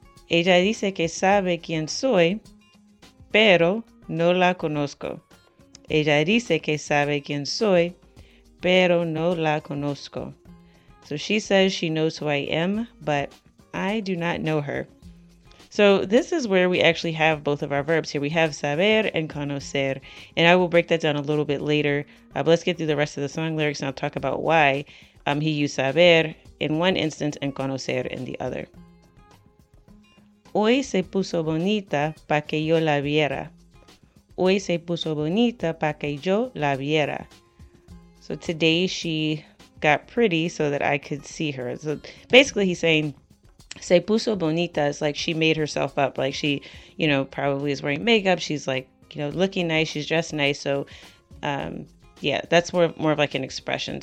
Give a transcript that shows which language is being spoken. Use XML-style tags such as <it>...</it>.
<es>Ella dice que sabe quién soy, pero no la conozco. Ella dice que sabe quién soy, pero no la conozco.</es> <en>So she says she knows who I am, but I do not know her. So this is where we actually have both of our verbs here. We have saber and conocer, and I will break that down a little bit later. But let's get through the rest of the song lyrics, and I'll talk about why he used saber in one instance and conocer in the other.</en> <es>Hoy se puso bonita pa que yo la viera. Hoy se puso bonita pa que yo la viera.</es> <en>So today she got pretty so that I could see her. So basically he's saying,</en> <es>se puso bonita</es> <en>is like she made herself up. Like she, you know, probably is wearing makeup. She's like, you know, looking nice. She's dressed nice. So yeah, that's more of like an expression.</en>